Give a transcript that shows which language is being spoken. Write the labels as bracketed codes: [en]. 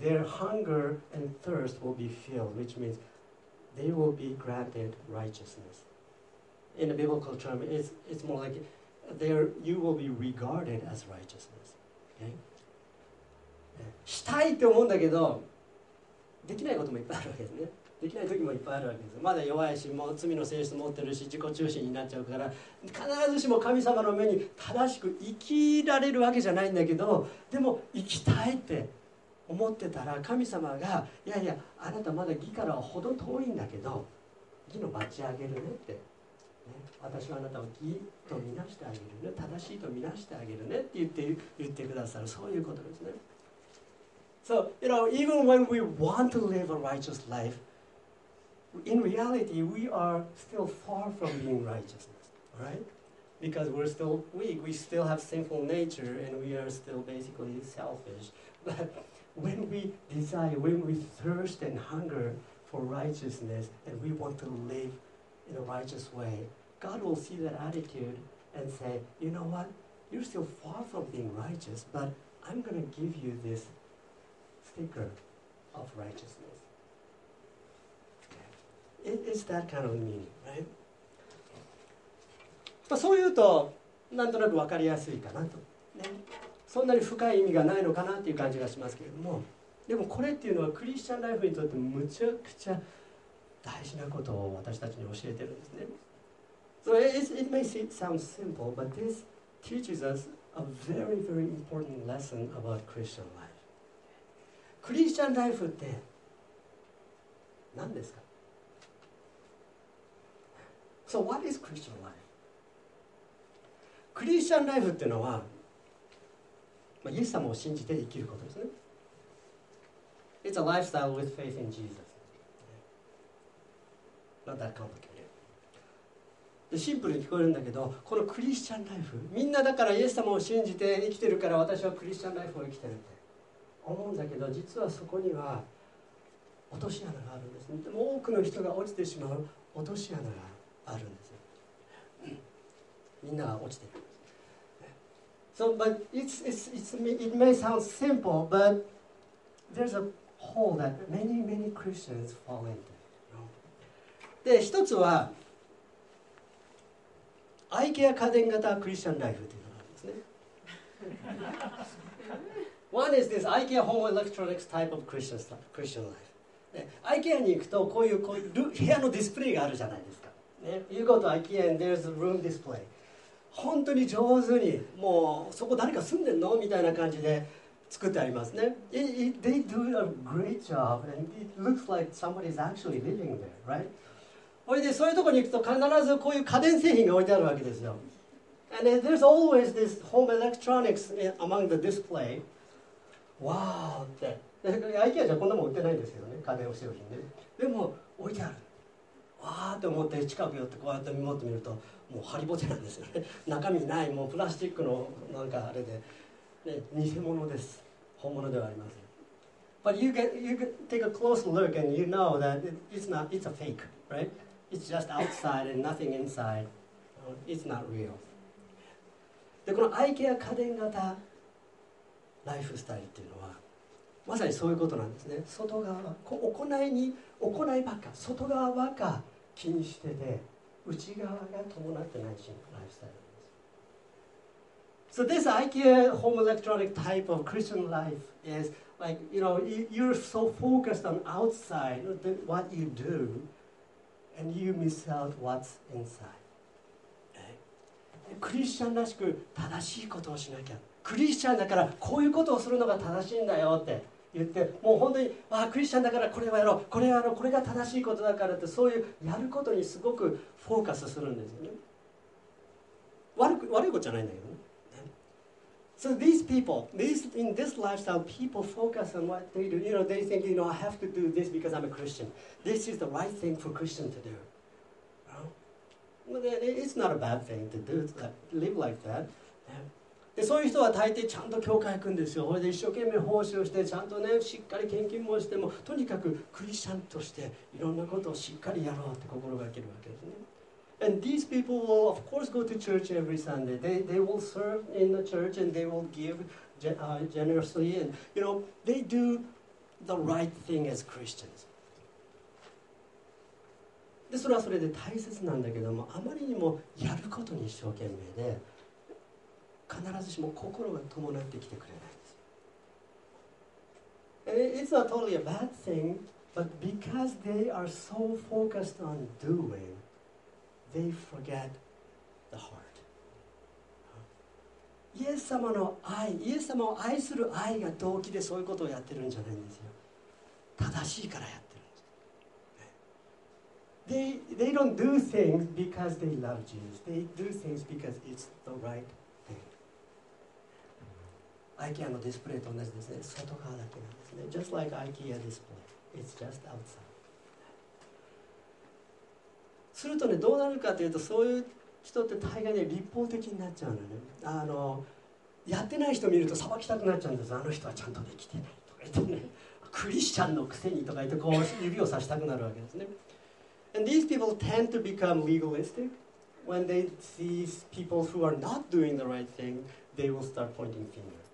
[en] Their hunger and thirst will be filled, which means. They will be granted righteousness. In a biblical term, it's more like there you will be regarded as righteousness. Okay? [ja] したいって思うんだけど、できないこともいっぱいあるわけですね。できない時もいっぱいあるわけです。まだ弱いし、もう罪の性質持ってるし、自己中心になっちゃうから、必ずしも神様の目に正しく生きられるわけじゃないんだけど、でも生きたいって。思ってたら神様がいやいやあなたまだ義からはほど遠いんだけど義のバッチあげるねってね、私はあなたを義と見なしてあげるね、正しいと見なしてあげるねって言ってくださる、そういうことですね。 [en] So you know even when we want to live a righteous life in reality we are still far from being righteous, right? Because we're still weak, we still have sinful nature and we are still basically selfish. ButWhen we desire, when we thirst and hunger for righteousness and we want to live in a righteous way, God will see that attitude and say, you know what? You're still far from being righteous, but I'm going to give you this sticker of righteousness. It's that kind of meaning, right? [ja] そう言うと、なんとなくわかりやすいかなと。ね。そんなに深い意味がないのかなっていう感じがしますけれども、でもこれっていうのはクリスチャンライフにとってむちゃくちゃ大事なことを私たちに教えてるんですね。 [en] So it may sound simple, but this teaches us a very, very important lesson about Christian life. [ja] クリスチャンライフって何ですか ？ [en] So what is Christian life? [ja] クリスチャンライフっていうのはまあ、イエス様を信じて生きることですね。 [en] It's a lifestyle with faith in Jesus. Not that complicated. [ja] シンプルに聞こえるんだけど、このクリスチャンライフ、みんなだからイエス様を信じて生きてるから私はクリスチャンライフを生きてるって思うんだけど、実はそこには落とし穴があるんですね。でも多くの人が落ちてしまう落とし穴があるんですよ。みんなが落ちてる。 [en] So, but it may sound simple, but there's a hole that many, many Christians fall into. [ja] で、一つは、アイケア家電型クリスチャンライフというのがあるんですね。 [en] One is this IKEA home electronics type of Christian life. [ja] IKEA に行くと、こういう部屋のディスプレイがあるじゃないですか。 [en] You go to IKEA and there's a room display. [ja] 本当に上手に、もうそこ誰か住んでんのみたいな感じで作ってありますね。 [en] They do a great job and it looks like somebody's actually living there, right? [ja] それでそういうところに行くと必ずこういう家電製品が置いてあるわけですよ。 [en] And there's always this home electronics among the display. [ja] Wow! って。 IKEA じゃこんなもん売ってないんですけどね、家電製品ね。でも置いてある。わーって思って近く寄ってこうやって見守ってみると、もうハリボテなんですよね。中身ない、もうプラスチックのなんかあれで、ね、偽物です。本物ではありません。 [en] But you can take a close look and you know that it's a fake, right? It's just outside and nothing inside. It's not real. [ja] で、このアイケア家電型ライフスタイルっていうのは、まさにそういうことなんですね。外側は、行いばっか、外側ばっか気にしてて、内側が伴ってないし、ライフスタイルなんです。 [en] So this IKEA home electronic type of Christian life is like, you know, you're so focused on outside, what you do, and you miss out what's inside. [ja] クリスチャンらしく正しいことをしなきゃ。クリスチャンだからこういうことをするのが正しいんだよって。言ってもう本当にわあクリスチャンだからこれはやろう、これはやろう、これが正しいことだからって、そういうやることにすごくフォーカスするんですよね。悪いことじゃないんだけどね。 [en] So these people, in this lifestyle, people focus on what they do. You know, they think, you know, I have to do this because I'm a Christian. This is the right thing for Christian to do. Well, it's not a bad thing to do, to live like that. [ja] でそういう人は大抵ちゃんと教会行くんですよ。それで一生懸命奉仕をして、ちゃんとね、しっかり献金もしても、とにかくクリスチャンとしていろんなことをしっかりやろうって心がけるわけですね。 [en] And these people will of course go to church every Sunday. They will serve in the church and they will give generously. And you know, they do the right thing as Christians. [ja] でそれはそれで大切なんだけども、あまりにもやることに一生懸命で、必ずしも心が伴ってきてくれないんです。 [en] It's not totally a bad thing, but because they are so focused on doing, they forget the heart. [ja] イエス様の愛、イエス様を愛する愛が動機でそういうことをやってるんじゃないんですよ。正しいからやってるんです。 [en] They don't do things because they love Jesus. They do things because it's the right thing. [ja] IKEA のディスプレイと同じですね。外側だけなんですね。 [en] Just like IKEA display. It's just outside. [ja] するとね、どうなるかというと、そういう人って大概ね、立法的になっちゃうのね。やってない人見ると裁きたくなっちゃうんです。あの人はちゃんとできてないとか言ってね。クリスチャンのくせにとか言って、こう指をさしたくなるわけですね。 [en] And these people tend to become legalistic. When they see people who are not doing the right thing, they will start pointing fingers.